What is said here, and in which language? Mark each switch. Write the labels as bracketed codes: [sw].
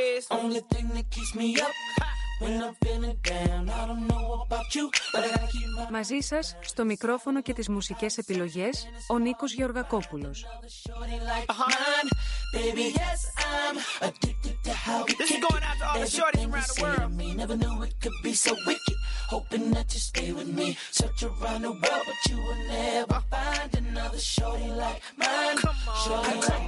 [en] Only thing that keeps me up when I'm feeling down. I don't know about you, but I keep my... [el] Μαζί σας, στο μικρόφωνο και τις μουσικές επιλογές, ο Νίκος Γεωργακόπουλος. [en] Baby, yes, I'm addicted to how we this is going out to all the shorties around the world. Me, never knew it could be so wicked. Hoping that you stay with me. Search around the world, but you will never find another shorty like mine. Come on, shorty come